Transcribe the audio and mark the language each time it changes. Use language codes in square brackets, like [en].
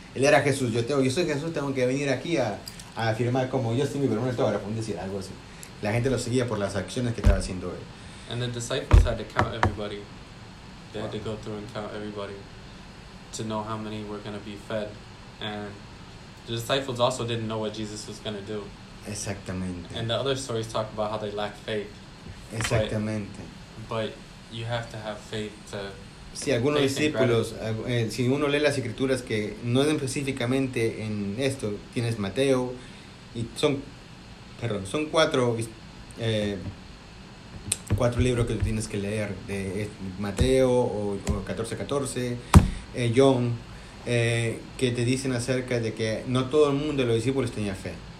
[es] Él era Jesús, yo soy Jesús, tengo que venir aquí a afirmar como yo soy mi primer autógrafo, un decir algo así. La gente lo seguía por las acciones que estaba haciendo él. [en] And the disciples had to count everybody. They had to go through and count everybody to know how many were going to be fed. And the disciples also didn't know what Jesus was going to do. [es] Exactamente. [en] And the other stories talk about how they lacked faith. [es] Exactamente. [en] But you have to have faith to... [es] Si algunos discípulos, si uno lee las escrituras que no es específicamente en esto, tienes Mateo, y son cuatro... cuatro libros que tienes que leer de Mateo o 14:14, John, que te dicen acerca de que no todo el mundo de los discípulos tenía fe.